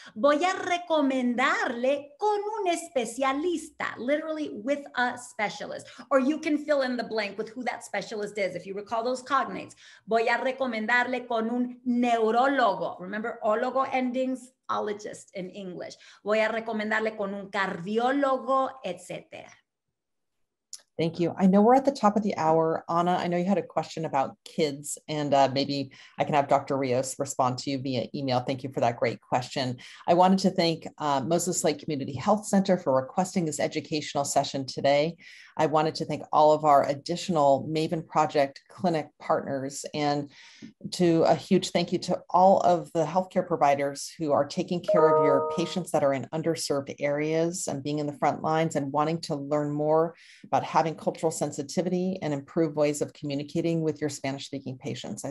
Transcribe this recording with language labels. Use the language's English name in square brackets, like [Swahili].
[Spanish] Voy a recomendarle con un especialista, [English] literally with a specialist. Or you can fill in the blank with who that specialist is. If you recall those cognates, [Spanish] voy a recomendarle con un neurólogo. [English] Remember, ólogo endings, ologist in English. [Spanish] Voy a recomendarle con un cardiólogo, etc. [English] Thank you. I know we're at the top of the hour. Anna, I know you had a question about kids and maybe I can have Dr. Rios respond to you via email. Thank you for that great question. I wanted to thank Moses Lake Community Health Center for requesting this educational session today. I wanted to thank all of our additional Maven Project clinic partners and to a huge thank you to all of the healthcare providers who are taking care of your patients that are in underserved areas and being in the front lines and wanting to learn more about having cultural sensitivity and improve ways of communicating with your Spanish-speaking patients.